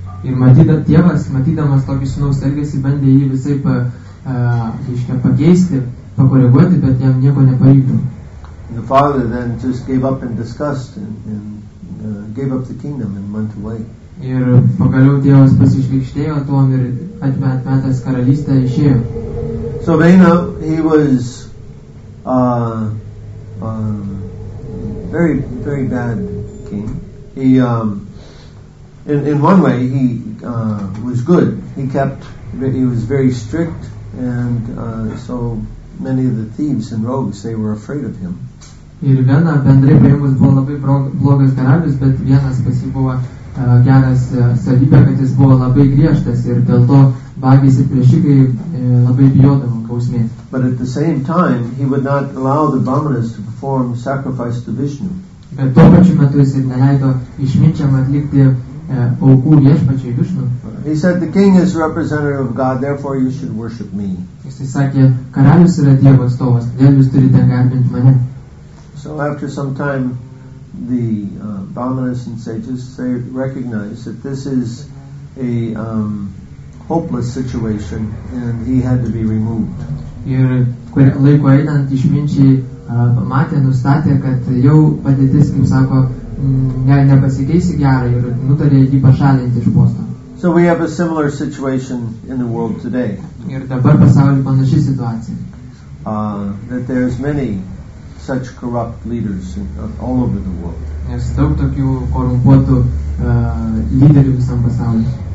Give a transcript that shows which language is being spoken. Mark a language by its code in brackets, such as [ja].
[lt] Ir matydamas tokį sūnaus elgesį, bandė jį visai pakeisti, pakoreguoti, bet jam nieko nepavyko. [en] The father then just gave up in disgust and gave up the kingdom and went away. [lt] Ir pagaliau Dievas pasišlykštėjo tuom ir atmetęs karalystę išėjo. [en] So Vena, he was very, very bad king. He in one way he was good. He was very strict, and so many of the thieves and rogues, they were afraid of him. [lt] Ir Vena bendrai paėmus buvo labai blogas karalius, bet vienas pas jį buvo geras savybė, kad jis buvo labai griežtas ir dėl to vagys ir plėšikai labai bijodavo bausmės. [en] But at the same time, he would not allow the brahmanas to perform sacrifice to Vishnu. [lt] Bet tuo pačiu metu jis ir neleido išminčiam atlikti aukų viešpačiai Vishnu. [en] He said, the king is representative of God, therefore you should worship me. [lt] Jis sakė, karalius yra Dievo atstovas, todėl jūs turite garbinti mane. [en] So after some time, the brahmanas and sages, they recognized that this is a hopeless situation and he had to be removed. [lt] Ir laiko einant išminčiai matė, nustatė, kad jau padėtis, kaip sako, nepasikeisi gerai ir nutarė jį pašalinti iš posto. [en] So we have a similar situation in the world today. [lt] Ir dabar pasaulyje panaši situacija. [en] That there is many such corrupt leaders all over the world. [lt] Nes daug tokių korumpuotų lyderių visam pasaulyje.